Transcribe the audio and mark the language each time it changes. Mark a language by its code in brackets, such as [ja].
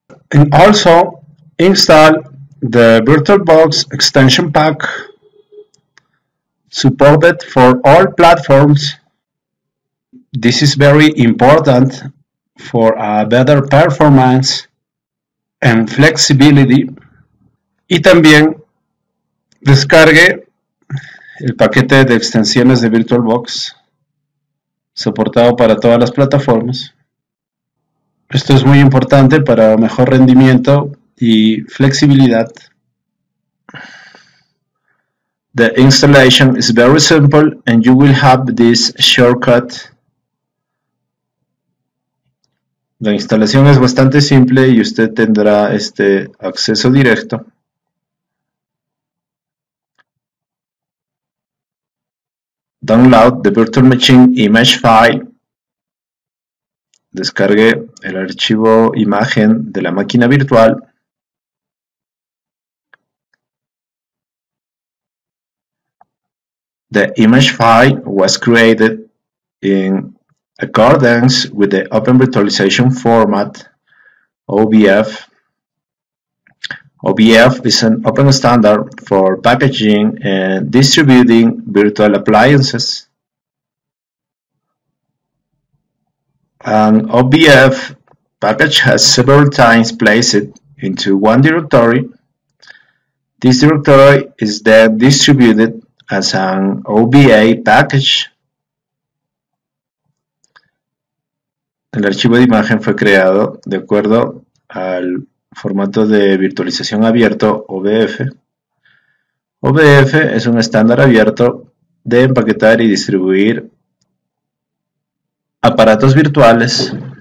[en] And also install the VirtualBox extension pack, supported for all platforms. This is very important for a better performance and flexibility. [es] Y también descargue el paquete de extensiones de VirtualBox, soportado para todas las plataformas. Esto es muy importante para mejor rendimiento y flexibilidad. [en] The installation is very simple and you will have this shortcut. [es] La instalación es bastante simple y usted tendrá este acceso directo. [en] Download the Virtual Machine Image File. [es] Descargue el archivo imagen de la máquina virtual. [en] The image file was created in accordance with the Open Virtualization Format, OVF. OVF is an open standard for packaging and distributing virtual appliances. An OVF package has several times placed into one directory. This directory is then distributed as an OVA package. [es] El archivo de imagen fue creado de acuerdo al formato de virtualización abierto OVF. OVF es un estándar abierto de empaquetar y distribuir aparatos virtuales.